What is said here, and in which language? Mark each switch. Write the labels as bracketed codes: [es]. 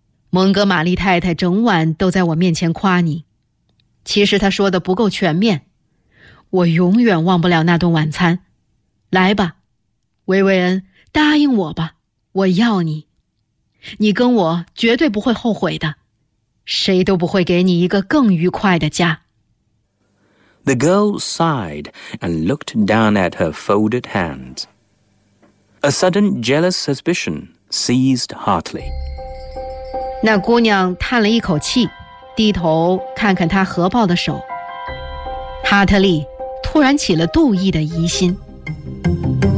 [zh] 蒙哥马利太太整晚都在我面前夸你。其实她说的不够全面。我永远忘不了那顿晚餐。来吧，薇薇恩。答应我吧，我要你，你跟我绝对不会后悔的，谁都不会给你一个更愉快的家。 [en] The girl sighed and looked down at her folded hands. A sudden jealous suspicion seized Hartley. [zh] 那姑娘叹了一口气，低头看看她合抱的手。哈特利突然起了妒意的疑心。